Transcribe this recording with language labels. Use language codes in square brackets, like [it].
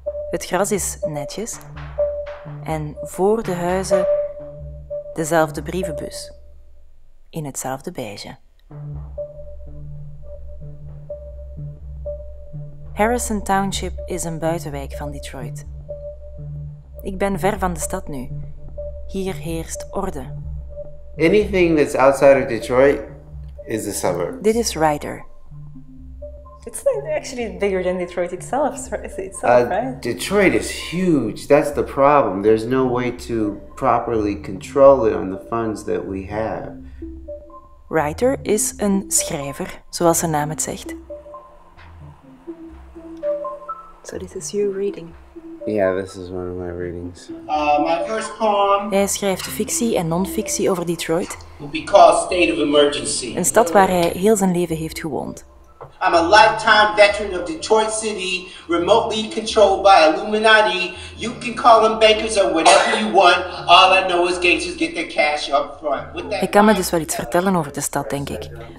[nl] Het gras is netjes en voor de huizen dezelfde brievenbus in hetzelfde beige. Harrison Township is een buitenwijk van Detroit. Ik ben ver van de stad nu. Hier heerst orde. [en] Anything that's outside of Detroit is a suburb. This is Ryder. It's actually bigger than Detroit itself, right? Detroit is huge. That's the problem. There's no way to properly control it on the funds that we have. [nl] Ryder is een schrijver, zoals zijn naam het zegt. [en] So this is you reading. Yeah, this is one of my readings. My first poem. [nl] Hij schrijft fictie en non-fictie over Detroit. [en] Will be called State of Emergency. [nl] Een stad waar hij heel zijn leven heeft gewoond. [en] I'm a lifetime veteran of Detroit City, remotely controlled by Illuminati. You can call them bankers or whatever you want. All I know is gangsters get their cash up front. [nl] Hij kan me dus wel iets vertellen over de stad, denk ik.